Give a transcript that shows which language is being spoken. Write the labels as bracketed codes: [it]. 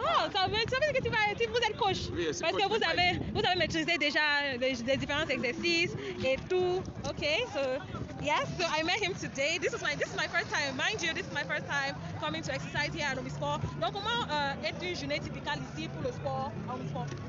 [fr] Oh, ça veut dire que vous êtes coach. Oui, c'est parce que vous avez maîtrisé déjà les différents exercices et tout. [en] Okay, so yes, so I met him today. This is my first time. Mind you, this is my first time coming to exercise here at Omispo. [fr] Donc comment est une journée typique ici pour le sport à Omispo?